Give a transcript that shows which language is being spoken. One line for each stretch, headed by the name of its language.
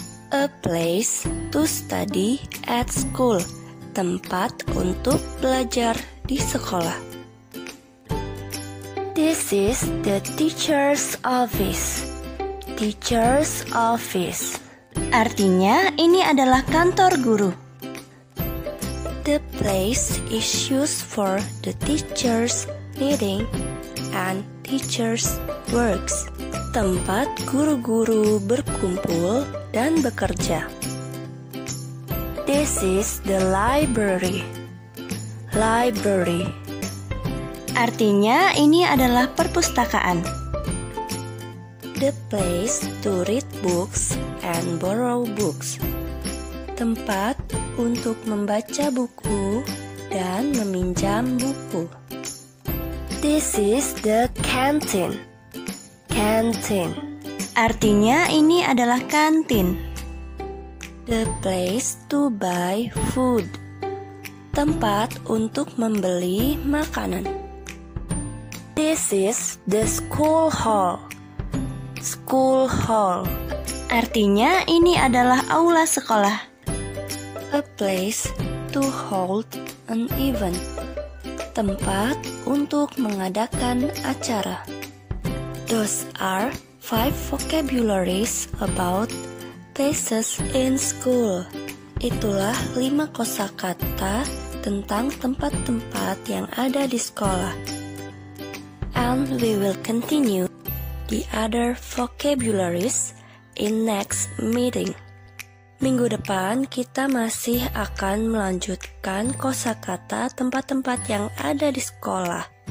English: A place to study at school.
Indonesian: Tempat untuk belajar di sekolah.
English: This is the teacher's office. Teacher's office.
Indonesian: Artinya, ini adalah kantor guru.
English: The place is used for the teacher's meeting and teacher's works.
Indonesian: Tempat guru-guru berkumpul dan bekerja.
English: This is the library. Library.
Indonesian: Artinya, ini adalah perpustakaan.
English: The place to read books and borrow books.
Indonesian: Tempat untuk membaca buku dan meminjam buku.
English: This is the canteen. Canteen.
Indonesian: Artinya, ini adalah kantin.
English: The place to buy food.
Indonesian: Tempat untuk membeli makanan.
English: This is the school hall. School hall.
Indonesian: Artinya, ini adalah aula sekolah.
English: A place to hold an event.
Indonesian: Tempat untuk mengadakan acara.
English: Those are 5 vocabularies about places in school.
Indonesian: Itulah 5 kosakata tentang tempat-tempat yang ada di sekolah.
English: And we will continue the other vocabularies in next meeting.
Indonesian: Minggu depan kita masih akan melanjutkan kosakata tempat-tempat yang ada di sekolah.